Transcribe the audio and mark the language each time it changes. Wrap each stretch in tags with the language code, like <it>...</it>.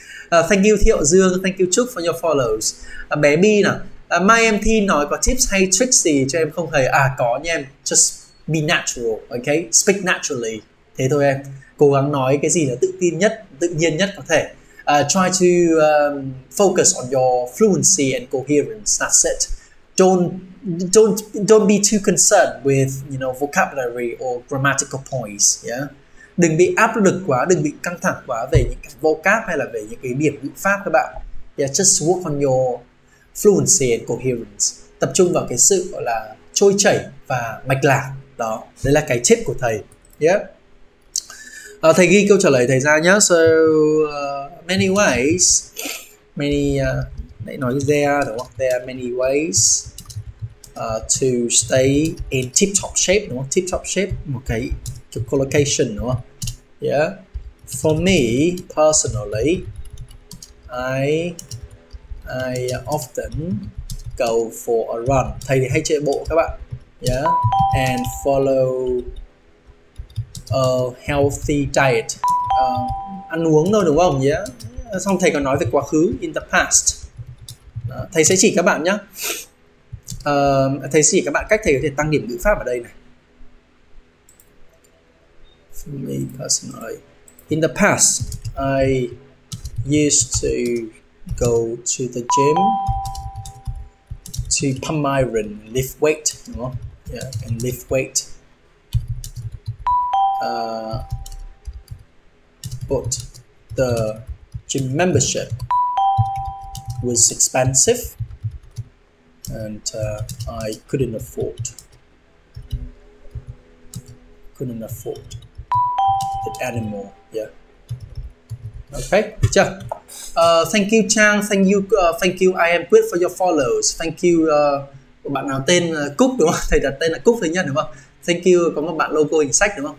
<en>Thank you Thiệu Dương, thank you Trúc for your follows.</en> <vi>Bé Bi nè, Mai em thi nói có tips hay tricks gì cho em không thầy? À có nha em,</vi> <en>just be natural, okay, speak naturally,</en> <vi>thế thôi em. Cố gắng nói cái gì là tự tin nhất, tự nhiên nhất có thể.</vi> <en>Try to focus on your fluency and coherence, that's it. Don't be too concerned with, you know, vocabulary or grammatical points, yeah.</en> <vi>Đừng bị áp lực quá, đừng bị căng thẳng quá về những cái vocab hay là về những cái điểm ngữ pháp các bạn.</vi> <en>Yeah, just work on your fluency and coherence.</en> <vi>Tập trung vào cái sự gọi là trôi chảy và mạch lạc. Đó, đấy là cái tip của thầy, yeah. Thầy ghi câu trả lời thầy ra nhá.</vi> <en>So many ways, many</en> <vi>để nói</vi> <en>there</en> <vi>đúng không?</vi> <en>There are many ways to stay in tip top shape</en> <vi>đúng không? Tip top shape một cái kiểu collocation đúng không? Yeah.</vi> <en>For me personally, I often go for a run.</en> <vi>Thầy thì hay chạy bộ các bạn. Yeah.</vi> <en>And follow a healthy diet,</en> <vi>ăn uống thôi đúng không, yeah. Xong thầy còn nói về quá khứ,</vi> <en>in the past.</en> <vi>Đó, thầy sẽ chỉ các bạn nhé, thầy sẽ chỉ các bạn cách thầy có thể tăng điểm ngữ pháp ở đây này.</vi> <en>For me personally, in the past I used to go to the gym to pump iron, lift weight,</en> <vi>đúng không?</vi> <en>Yeah, and lift weight. But the gym membership was expensive and I couldn't afford it anymore, yeah. Okay,</en> <vi>được chưa?</vi> <en>Thank you Trang, thank you I am Quyết for your follows.</en> <vi>Thank you bạn nào tên Cúc đúng không? Thầy đặt tên là Cúc thứ nhất đúng không? Thank you, có một bạn logo hình sách đúng không?</vi>